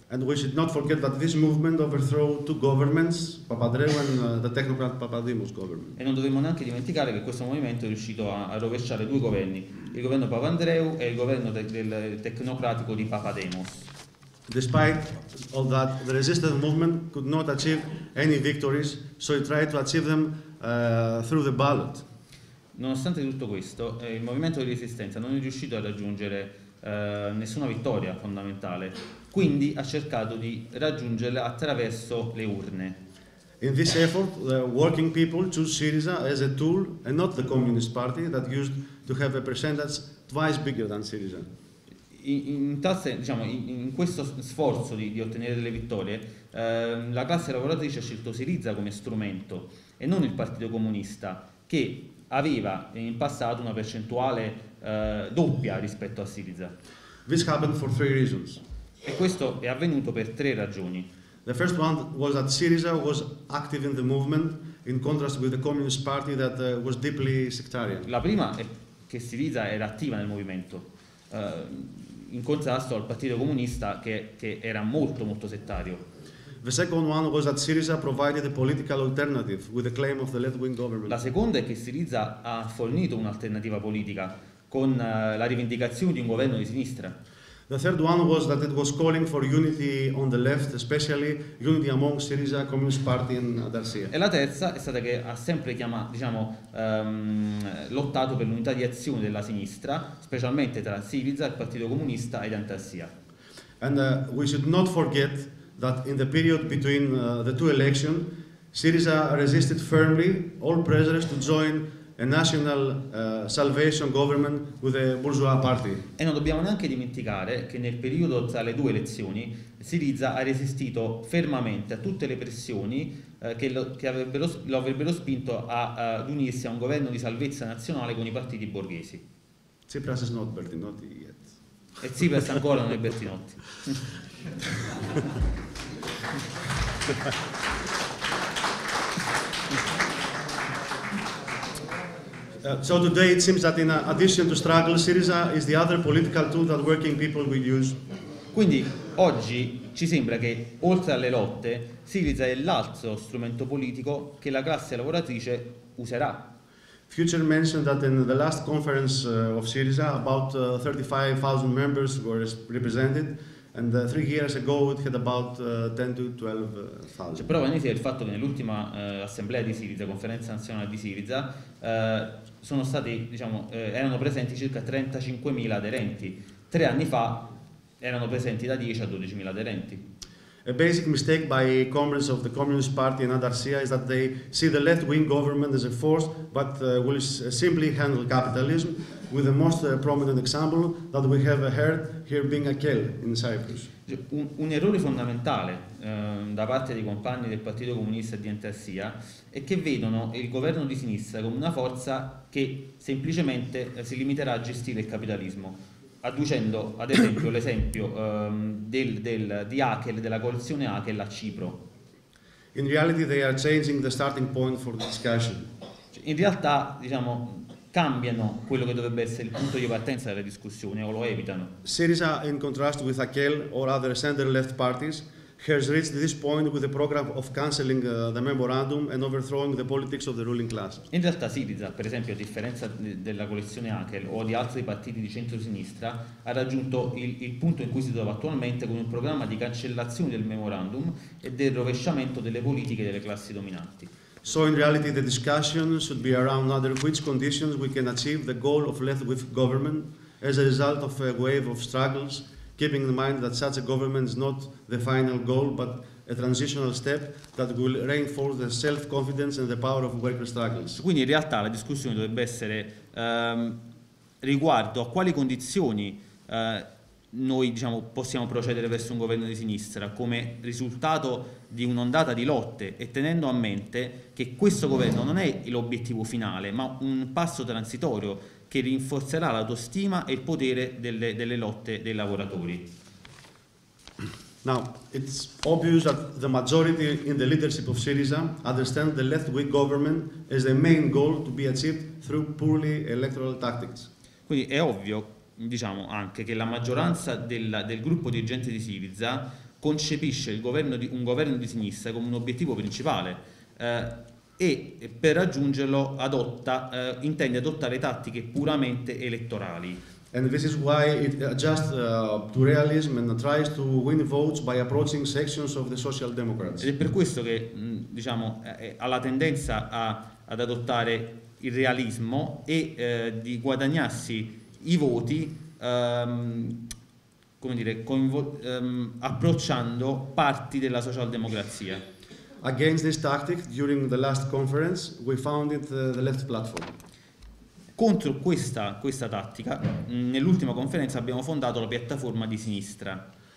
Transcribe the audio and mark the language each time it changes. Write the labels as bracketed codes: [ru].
[en] And we should not forget that this movement overthrew two governments, Papandreou and the technocrat Papadimos government. [it] E non dovremmo neanche dimenticare che questo movimento è riuscito a rovesciare due governi, il governo Papandreou e il governo del tecnocratico di Papademos. [en] Despite all that, the resistance movement could not achieve any victories, so it tried to achieve them through the ballot. [it] Nonostante tutto questo, il movimento di resistenza non è riuscito a raggiungere nessuna vittoria fondamentale, quindi ha cercato di raggiungerla attraverso le urne. [en] In this effort, the working people chose Syriza as a tool and not the Communist Party that used to have a percentage twice bigger than Syriza. [it] In questo sforzo di ottenere delle vittorie, la classe lavoratrice ha scelto Syriza come strumento e non il Partito Comunista, che aveva in passato una percentuale doppia rispetto a Syriza. [en] This happened for three reasons. [it] E questo è avvenuto per tre ragioni. [en] The first one was that Syriza was active in the movement in contrast with the Communist Party that was deeply sectarian. [it] La prima è che Syriza era attiva nel movimento, in contrasto al Partito Comunista che era molto molto settario. [en] The second one was that Syriza provided a political alternative with the claim of the left-wing government. [it] La seconda è che Syriza ha fornito un'alternativa politica con la rivendicazione di un governo di sinistra. [en] The third one was that it was calling for unity on the left, especially unity among Syriza, Communist Party and Adarsia. [it] E la terza è stata che ha sempre lottato per l'unità di azione della sinistra, specialmente tra Syriza, il Partito Comunista ed Antarsia. [en] And we should not forget that in the period between the two elections, Syriza resisted firmly all pressures to join a national salvation government with the bourgeois party. [it] E non dobbiamo neanche dimenticare che nel periodo tra le due elezioni Syriza ha resistito fermamente a tutte le pressioni che lo avrebbero spinto ad unirsi a un governo di salvezza nazionale con i partiti borghesi. [en] Tsipras is not Bertinotti yet. [it] E Tsipras ancora non è Bertinotti. [en] So today it seems that in addition to struggle, Syriza is the other political tool that working people will use. [it] Quindi oggi ci sembra che oltre alle lotte, Syriza è l'altro strumento politico che la classe lavoratrice userà. [en] Future mentioned that in the last conference of Syriza, about 35,000 members were represented, and 3 years ago it had about 10 to 12,000. [it] C'è prova nitida il fatto che nell'ultima assemblea di Syriza, conferenza nazionale di Syriza, erano presenti circa 35,000 aderenti. 3 anni fa erano presenti da 10 a 12,000 aderenti. [en] A basic mistake by comrades of the Communist Party and Adarsia is that they see the left-wing government as a force but will simply handle capitalism, with the most prominent example that we have heard here being Akel in Cyprus. [it] Un errore fondamentale da parte dei compagni del Partito Comunista di Antarsia è che vedono il governo di sinistra come una forza che semplicemente si limiterà a gestire il capitalismo. adducendo ad esempio l'esempio di Haeckel, della coalizione Haeckel a Cipro. [en] In reality, they are changing the starting point for the discussion. [it] In realtà, diciamo, cambiano quello che dovrebbe essere il punto di partenza della discussione, o lo evitano. [en] Syriza, in contrast with Haeckel or other center-left parties, has reached this point with a program of cancelling the memorandum and overthrowing the politics of the ruling class. [it] In realtà Syriza, per esempio, a differenza della coalizione Haeckel o di altri partiti di centro-sinistra, ha raggiunto il punto in cui si trova attualmente con un programma di cancellazione del memorandum e del rovesciamento delle politiche delle classi dominanti. [en] So, in reality, the discussion should be around under which conditions we can achieve the goal of left-wing government as a result of a wave of struggles, keeping in mind that such a government is not the final goal, but a transitional step that will reinforce the self-confidence and the power of worker struggles. [it] Quindi in realtà la discussione dovrebbe essere riguardo a quali condizioni noi diciamo, possiamo procedere verso un governo di sinistra come risultato di un'ondata di lotte e tenendo a mente che questo governo non è l'obiettivo finale, ma un passo transitorio che rinforzerà l'autostima e il potere delle lotte dei lavoratori. [en] Now, it's obvious that the majority in the leadership of Syriza understand the left-wing government as the main goal to be achieved through purely electoral tactics. [it] Quindi è ovvio, diciamo, anche che la maggioranza del gruppo dirigente di Syriza concepisce un governo di sinistra come un obiettivo principale, e per raggiungerlo intende adottare tattiche puramente elettorali. [en] And this is why it adjusts to realism and tries to win votes by approaching sections of the Social [it] Ed è [en] Democrats. [it] per questo che, diciamo, ha la tendenza ad adottare il realismo e di guadagnarsi i voti, come dire, approcciando parti della socialdemocrazia. [en] Against this tactic, during the last conference, we founded the Left Platform. [it] Contro questa tattica, nell'ultima conferenza abbiamo fondato la piattaforma di sinistra.